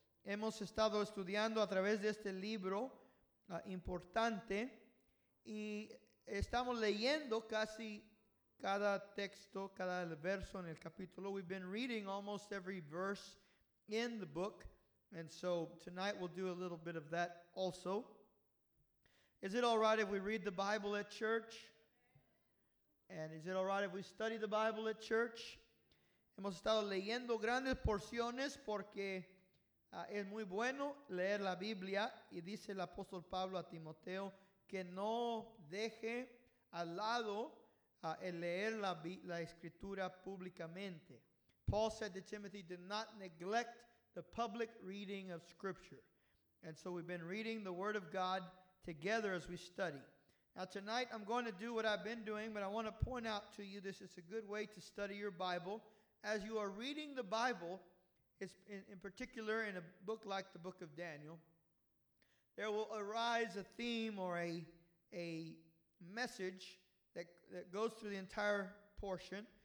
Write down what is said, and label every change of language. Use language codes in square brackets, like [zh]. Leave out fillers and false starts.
[es] Hemos estado estudiando a través de este libro importante. Y estamos leyendo casi cada texto, cada verso en el capítulo. [en] We've been reading almost every verse in the book. And so tonight we'll do a little bit of that also. Is it all right if we read the Bible at church? And is it all right if we study the Bible at church? [es] Hemos estado leyendo grandes porciones porque es muy bueno leer la Biblia. Y dice el apóstol Pablo a Timoteo que no deje al lado el leer la escritura públicamente. [en] Paul said to Timothy, do not neglect the public reading of Scripture. And so we've been reading the Word of God together as we study. Now tonight I'm going to do what I've been doing, but I want to point out to you this is a good way to study your Bible. As you are reading the Bible, it's in particular in a book like the book of Daniel, there will arise a theme or a message that goes through the entire portion.